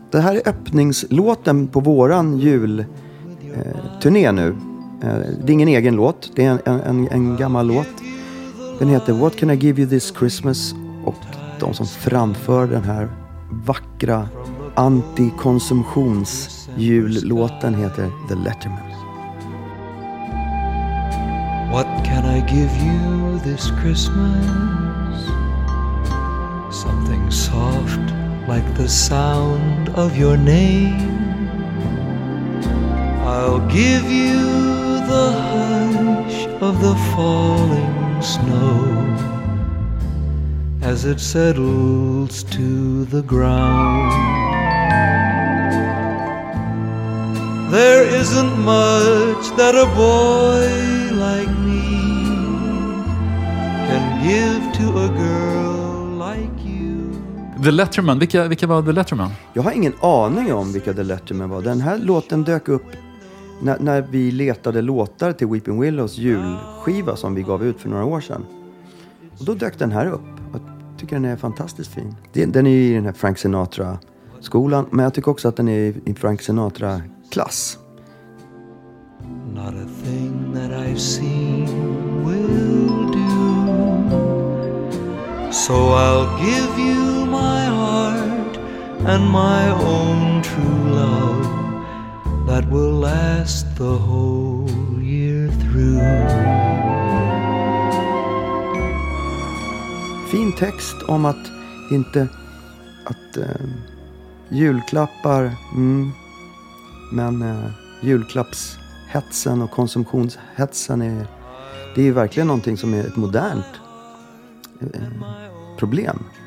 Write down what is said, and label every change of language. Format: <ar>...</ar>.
<sv>Det här är öppningslåten på våran julturné nu. Det är ingen egen låt. Det är en gammal låt. Den heter What Can I Give You This Christmas? Och de som framför den här vackra antikonsumtionsjullåten heter The Letterman.</sv> <en>What can I give you this Christmas? Something soft like the sound of your name. I'll give you the hush of the falling snow as it settles to the ground. There isn't much that a boy like me can give to a girl like you.</en> <sv>The Letterman, vilka var The Letterman? Jag har ingen aning om vilka The Letterman var. Den här låten dök upp när vi letade låtar till Weeping Willows julskiva som vi gav ut för några år sedan. Och då dök den här upp. Jag tycker den är fantastiskt fin. Den är ju i den här Frank Sinatra-skolan, men jag tycker också att den är i Frank Sinatra class.</sv> <en>Not a thing that I've seen will do. So I'll give you my heart and my own true love that will last the whole year through.</en> <sv>fin text om att inte att julklappar men julklappshetsen och konsumtionshetsen är, det är ju verkligen någonting som är ett modernt problem.</sv>